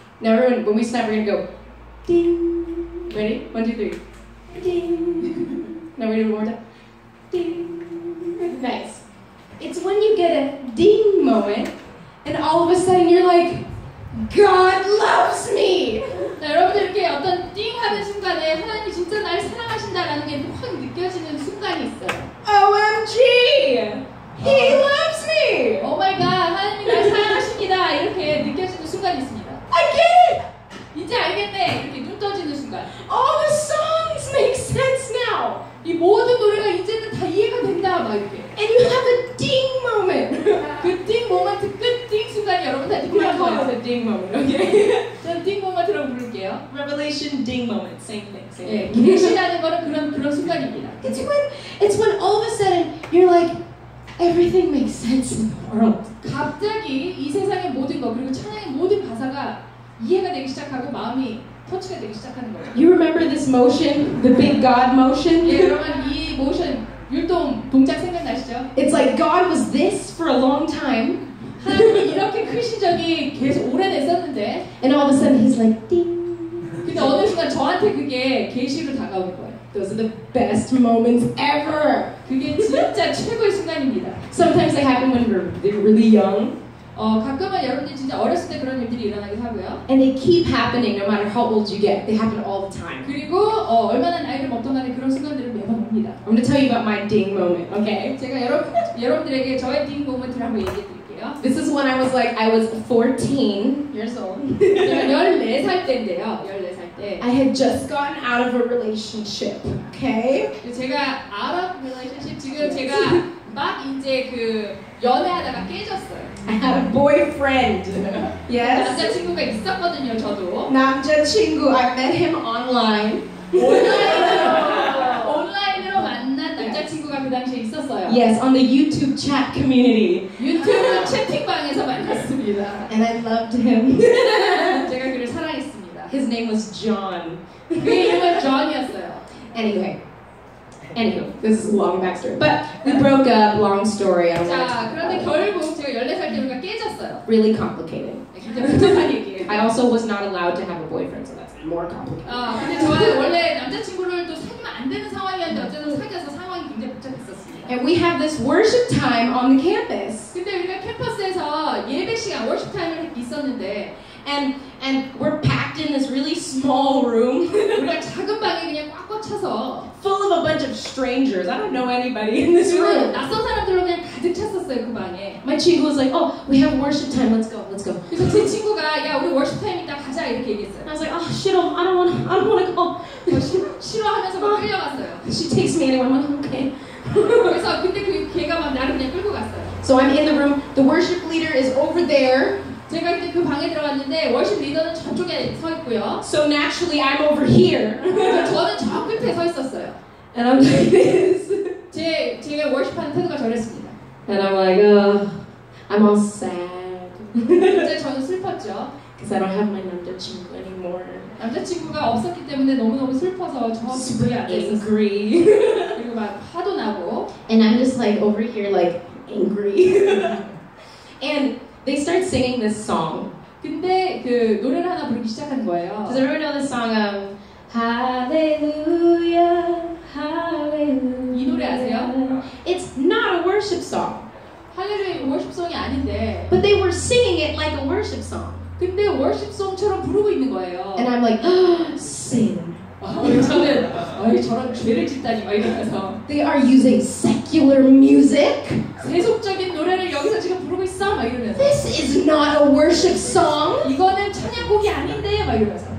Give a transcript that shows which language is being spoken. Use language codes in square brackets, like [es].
[en] Now everyone, when we snap, we're gonna go. Ding. Ready? 1, 2, 3. Ding. Now we're gonna do one more time. Ding. Nice. It's when you get a ding moment, and all of a sudden you're like, God loves me. [ko] 여러분 이렇게 어떤 띵 하는 순간에 하나님 진짜 날 사랑하신다라는 게 확 느껴지는 순간이 있어요. [en] OMG, He loves me. Oh my God, [ko] 하나님 날 사랑하십니다. 이렇게 느껴지는 순간이 있습니다. [en] I get it. [ko] 이제 알겠네. 이렇게 눈 떠지는 순간. [en] All the songs make sense now. [ko] 이 모든 노래가 이제는 다 이해가 된다 막 이렇게. [en] And you have a ding moment. [ko] 그 ding moment, 그 ding 순간이 여러분한테 필요한 거예요. [en] My call is a ding moment. Okay. [ko] 저 ding moment으로 부를게요. [en] Revelation ding moment. Same thing. [ko] 계시라는 거는 그런 순간입니다. [en] It's when all of a sudden you're like everything makes sense in the world. [ko] 갑자기 이 세상의 모든 거 그리고 찬양의 모든 가사가 이해가 되기 시작하고 마음이 터치가 되기 시작하는 거예요. [en] You remember this motion, the big God motion? [ko] 예, 여러분 이 motion. 율동 동작 생각나시죠? [en] It's like God was this for a long time. [ko] 하나님 이렇게 크신 적이 계속 오래됐었는데. [en] And all of a sudden he's like ding. [ko] 근데 어느 순간 저한테 그게 계시로 다가온 거예요. [en] Those are the best moments ever. [ko] 그게 진짜 최고의 순간입니다. [en] Sometimes they happen when we're really young. [ko] 가끔은 여러분들 진짜 어렸을 때 그런 일들이 일어나기도 하고요. [en] And they keep happening no matter how old you get. They happen all the time. [ko] 그리고 얼마나 나이를 먹던 간에 그런 순간들을 매번 옵니다. [en] I'm going to tell you about my ding moment, okay? [ko] 제가 여러분들에게 저의 ding moment을 한번 얘기해 드릴게요. [en] This is when I was 14 years old. [ko] 제가 14살 때인데요. 네. [en] I had just gotten out of a relationship, okay? [ko] 제가 [en] out of relationship, [ko] 지금 제가 막 이제 그 연애하다가 깨졌어요. [en] I had a boyfriend, yes? [ko] 남자친구가 있었거든요, 저도. [en] 남자친구, I met him online. [ko] 온라인으로 만난 남자친구가 그 당시에 있었어요. [en] Yes, on the YouTube chat community. [ko] 유튜브 채팅방에서 만났습니다. [en] And I loved him. [ko] 제가 그를 사랑했습니다. [en] His name was John. [ko] 그 이름은 John이었어요. [en] Anyway, this is a long backstory. But we broke up, long story. [ko] 자, 그런데 결국 제가 14살 때부터 깨졌어요. [en] Really complicated. [ko] 복잡한 얘기예요. [en] I also was not allowed to have a boyfriend, so that's more complicated. [ko] 근데 저는 원래 남자친구를 또 사귀면 안 되는 상황이었는데 어쨌든 사귀어서 상황이 굉장히 복잡했었습니다. [en] And we have this worship time on the campus. [ko] 근데 우리가 캠퍼스에서 예배 시간, worship time을 있었는데 [en] And we're packed in this really small room. [ko] 우리가 작은 방에 그냥 꽉 꽂혀서 [en] full of a bunch of strangers. I don't know anybody in this room. [ko] 낯선 사람들로 그냥 가득 찼었어요 그 방에. [en] My 친구 was like, oh, we have worship time. Let's go. [ko] 그래서 제 친구가 야 우리 worship time 있다 가자 이렇게 얘기했어요. [en] I was like, oh, shit, I don't wanna go. [ko] 싫어하면서 막 끌려갔어요. [en] She takes me anyway. I'm like, okay. [ko] 그래서 근데 그 걔가 막 나를 그냥 끌고 갔어요. [en] So I'm in the room. The worship leader is over there. [ko] 제가 그때 그 방에 들어갔는데 워십 리더는 저쪽에 서 있고요. [en] So naturally I'm over here. [ko] 저는 저 끝에 서 있었어요. [en] And I'm like this. [ko] 제가 워십하는 태도가 저랬습니다. [en] And I'm like, I'm all sad. [ko] 이제 저는 슬펐죠. [en] Because I don't have my 남자친구 anymore. [ko] 남자친구가 없었기 때문에 너무너무 슬퍼서 저 [en] Super angry. [ko] 그리고 막 화도 나고. [en] And I'm just like over here like angry. And they start singing this song. [ko] 근데 그 노래를 하나 부르기 시작한 거예요. [en] Does everyone know the song of Hallelujah, Hallelujah? [ko] 이 노래 아세요? [en] It's not a worship song. [ko] 할렐루야 worship song이 아닌데. [en] But they were singing it like a worship song. [ko] 근데 worship song처럼 부르고 있는 거예요. [en] And I'm like, sin. [ko] 저는 아니 저런 죄를 짓다니 막 이러면서. [en] They are using secular music. [ko] 세속적인 노래를 여기서 지금 부르고 있어 막 이러면서. [en] This is not a worship song. [ko] 이거는 찬양곡이 아닌데 막 이러면서.